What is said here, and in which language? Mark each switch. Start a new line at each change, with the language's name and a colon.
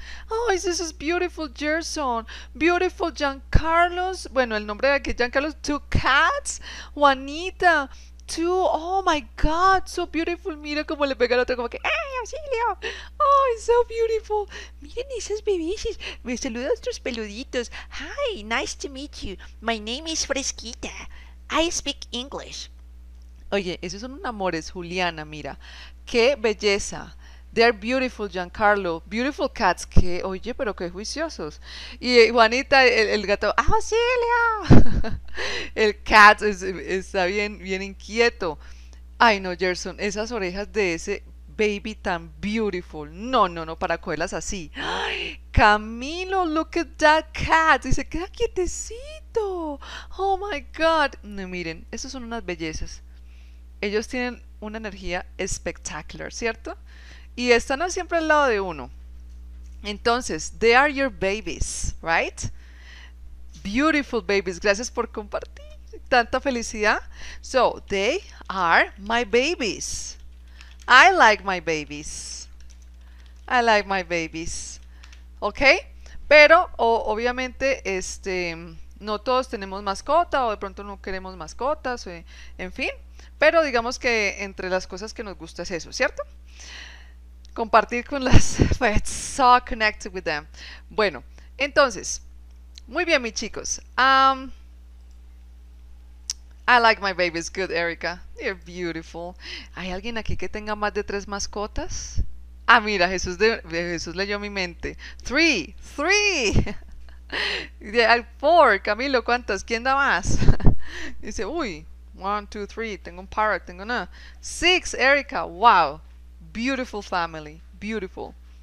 English: Oh, this is beautiful, Gerson. Beautiful, Jean Carlos.
Spanish: Bueno, el nombre de aquí, Jean Carlos.
English: Two cats. Juanita. Two. Oh my God, so beautiful.
Spanish: Mira cómo le pega al otro, como que. ¡Ay, auxilio! ¡Oh,
English: so beautiful!
Spanish: Miren esas bebés. Me saludan estos peluditos.
English: Hi, nice to meet you. My name is Fresquita. I speak English.
Spanish: Oye, esos son amores, Juliana, mira. ¡Qué belleza!
English: They're beautiful, Giancarlo. Beautiful cats.
Spanish: Que, oye, pero qué juiciosos. Y Juanita, el gato. ¡Ah, auxilio! El cat está bien, bien inquieto. Ay, no, Gerson. Esas orejas de ese baby tan beautiful. No, no, no, para cogerlas así.
English: ¡Ay! Camilo, look at that cat.
Spanish: Dice, queda quietecito.
English: Oh my God.
Spanish: No, miren, esos son unas bellezas. Ellos tienen una energía espectacular, ¿cierto? Y están siempre al lado de uno.
English: Entonces, they are your babies, right? Beautiful babies.
Spanish: Gracias por compartir tanta felicidad.
English: So, they are my babies. I like my babies. I like my babies.
Spanish: ¿Ok? Pero, obviamente, no todos tenemos mascota o de pronto no queremos mascotas, en fin. Pero digamos que entre las cosas que nos gusta es eso, ¿cierto? Compartir con las pets,
English: so connected with them.
Spanish: Bueno, entonces, muy bien, mis chicos.
English: I like my babies, good, Erica. You're beautiful.
Spanish: ¿Hay alguien aquí que tenga más de tres mascotas? Ah, mira, Jesús leyó mi mente.
English: Three, three. Yeah, four,
Spanish: Camilo, ¿cuántas? ¿Quién da más? Dice, uy,
English: one, two, three.
Spanish: Tengo un parrot, tengo nada.
English: Six, Erica, wow. Beautiful family, beautiful.